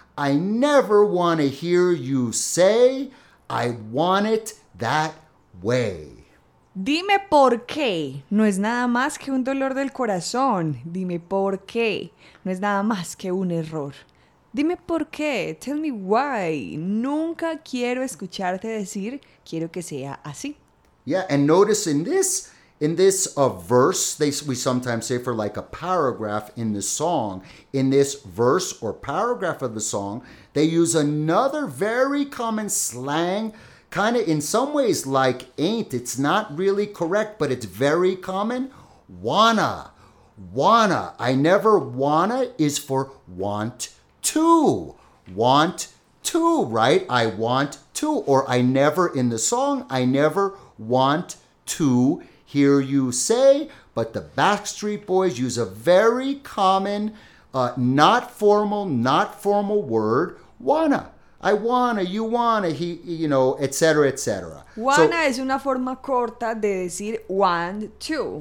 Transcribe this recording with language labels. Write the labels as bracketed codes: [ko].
[en] I never want to hear you say I want it that way. [es] Dime por qué. No es nada más que un dolor del corazón. Dime por qué. No es nada más que un error. Dime por qué. [en] Tell me why. [es] Nunca quiero escucharte decir quiero que sea así. [en] Yeah, and notice in this verse, we sometimes say for like a paragraph in the song, in this verse or paragraph of the song, they use another very common slang, kind of in some ways like ain't. It's not really correct, but it's very common. Wanna. Wanna. I never wanna is for want to. Want to, right? I want to. Or I never in the song, I never want to hear you say, but the Backstreet Boys use a very common, not formal word, wanna. I wanna, you wanna, he, you know, et cetera, et cetera. [es] Wanna so, es una forma corta de decir want to.